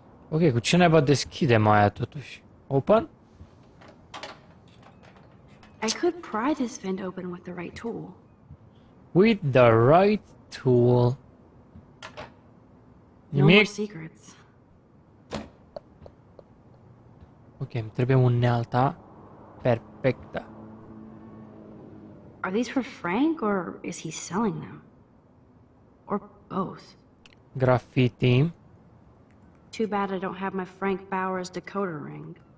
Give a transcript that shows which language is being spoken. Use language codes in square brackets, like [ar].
[ro] Ok, cu ce naiba deschidem aia totuși? [en] Open? I could pry this vent open with the right tool. With the right tool. Nimic? No more secrets. [ro] Ok, îmi trebuie unealta perfectă. [en] Are these for Frank or is he selling them? Or both? Graffiti. Too bad I don't have my Frank Bauer's decoder ring.